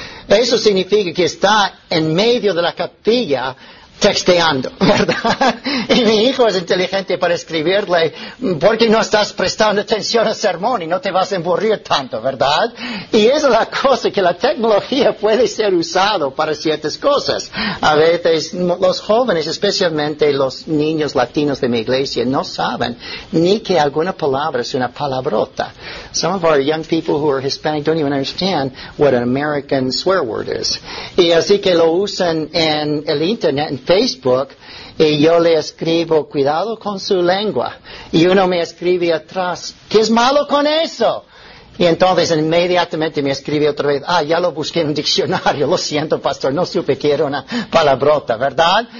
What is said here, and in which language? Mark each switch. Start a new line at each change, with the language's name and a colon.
Spanish: Eso significa que está en medio de la capilla texteando, ¿verdad? Y mi hijo es inteligente para escribirle, porque no estás prestando atención al sermón y no te vas a aburrir tanto, ¿verdad? Y esa es la cosa, que la tecnología puede ser usada para ciertas cosas. A veces los jóvenes, especialmente los niños latinos de mi iglesia, no saben ni que alguna palabra es una palabrota.
English: Some of our young people who are Hispanic don't even understand what an American swear word is.
Spanish: Y así que lo usan en el Internet, Facebook, y yo le escribo, cuidado con su lengua, y uno me escribe atrás, ¿qué es malo con eso? Y entonces inmediatamente me escribe otra vez, ah, ya lo busqué en un diccionario, lo siento pastor, no supe que era una palabrota, ¿verdad?